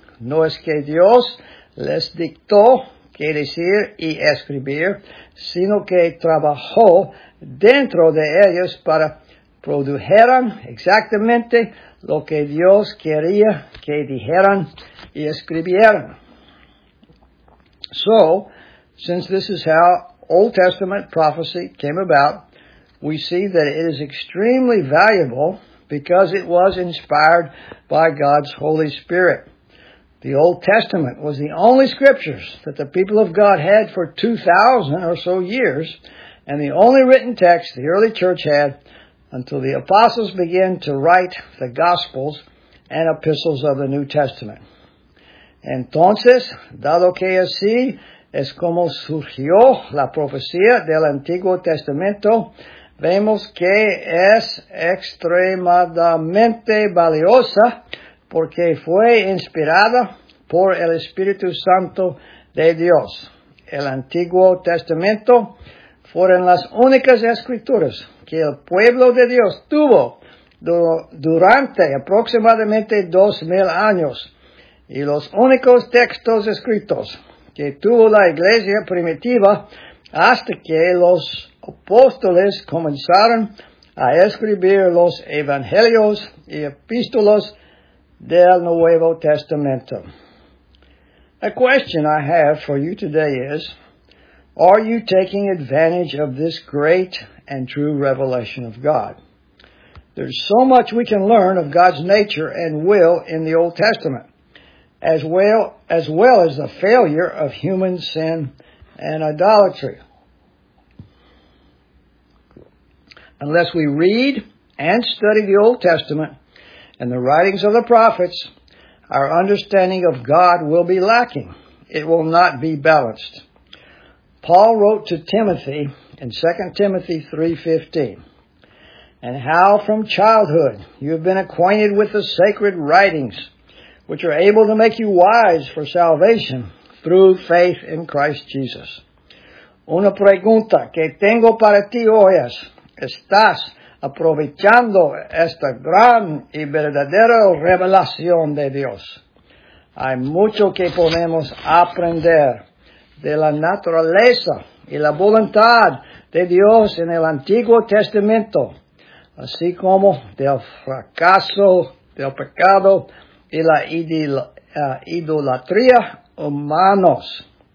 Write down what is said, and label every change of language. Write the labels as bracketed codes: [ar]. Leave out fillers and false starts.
[es] No es que Dios les dictó qué decir y escribir, sino que trabajó dentro de ellos para produjeran exactamente lo que Dios quería que dijeran y escribieran. [en] So, since this is how Old Testament prophecy came about, we see that it is extremely valuable because it was inspired by God's Holy Spirit. The Old Testament was the only scriptures that the people of God had for 2,000 or so years, and the only written text the early church had until the apostles began to write the Gospels and epistles of the New Testament. [es] Entonces, dado que así es como surgió la profecía del Antiguo Testamento, vemos que es extremadamente valiosa porque fue inspirada por el Espíritu Santo de Dios. El Antiguo Testamento fueron las únicas escrituras que el pueblo de Dios tuvo durante aproximadamente 2,000 años. Y los únicos textos escritos que tuvo la iglesia primitiva hasta que los apóstoles comenzaron a escribir los evangelios y epístolas del Nuevo Testamento. [en] A question I have for you today is, are you taking advantage of this great and true revelation of God? There's so much we can learn of God's nature and will in the Old Testament, as well as the failure of human sin and idolatry. Unless we read and study the Old Testament and the writings of the prophets, our understanding of God will be lacking. It will not be balanced. Paul wrote to Timothy in 2 Timothy 3:15, "And how from childhood you have been acquainted with the sacred writings, which are able to make you wise for salvation through faith in Christ Jesus. [es] Una pregunta que tengo para ti hoy es, ¿estás aprovechando esta gran y verdadera revelación de Dios? Hay mucho que podemos aprender de la naturaleza y la voluntad de Dios en el Antiguo Testamento, así como del fracaso, del pecado y la idolatría humanos.